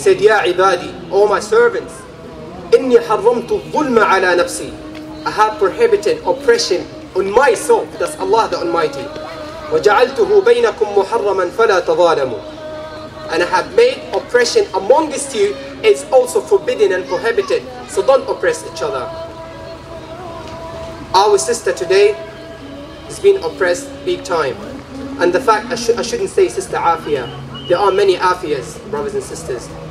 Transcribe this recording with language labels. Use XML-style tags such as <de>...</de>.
<en>He said, Ya ibadi, O my servants,</en> <ar>إني حرمت الظلم على نفسي.</ar> <en>I have prohibited oppression on my soul. That's Allah the Almighty.</en> <ar>وجعلته بينكم محرما فلا تظالموا.</ar> <en>And I have made oppression amongst you is also forbidden and prohibited. So don't oppress each other. Our sister today has been oppressed big time. And the fact, I shouldn't say Sister Afia. There are many Afias, brothers and sisters.</en>